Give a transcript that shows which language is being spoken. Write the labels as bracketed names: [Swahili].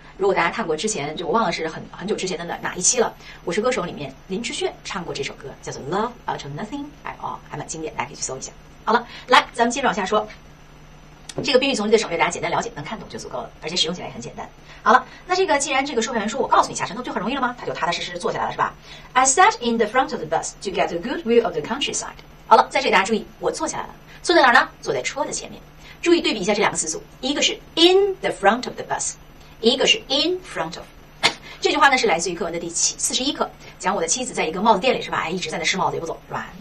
[Chinese] 如果大家看过之前，就我忘了是很久之前的哪一期了，《我是歌手》里面林志炫唱过这首歌，叫做 Love Out of Nothing at All， 还蛮经典，大家可以去搜一下。好了，来咱们接着往下说，这个宾语从句的省略大家简单了解，能看懂就足够了，而且使用起来也很简单。好了，那这个既然这个售票员说我告诉你下车，那就很容易了吗？他就踏踏实实坐下来了，是吧？ [English] I sat in the front of the bus to get a good view of the countryside。 [Chinese] 好了，在这里大家注意，我坐下来了，坐在哪儿呢？坐在车的前面。注意对比一下这两个词组，一个是 [English] in the front of the bus， [Chinese] 一个是 [English] in front of。 [Chinese] 这句话呢是来自于课文的第41课，讲我的妻子在一个帽子店里，是吧？一直在那试帽子也不走，是吧？